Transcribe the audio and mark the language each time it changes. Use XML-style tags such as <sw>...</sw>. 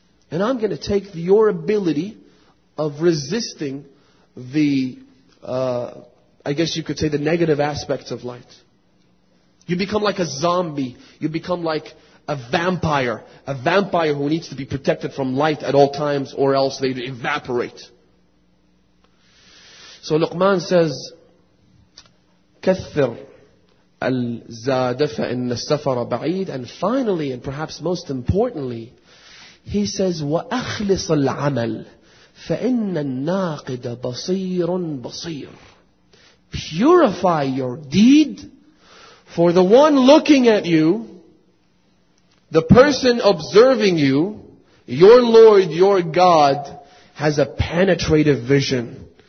<en>And I'm going to take your ability of resisting the negative aspects of light. You become like a zombie. You become like a vampire. A vampire who needs to be protected from light at all times or else they evaporate. So Luqman says,</en> <ar>كثر الزاد فإن السفر بعيد.</ar> <en>And finally, and perhaps most importantly, he says,</en> <ar>وأخلص العمل فإن الناقد بصير بصير.</ar> <en>Purify your deed, for the one looking at you, the person observing you, your Lord, your God, has a penetrative vision.</en>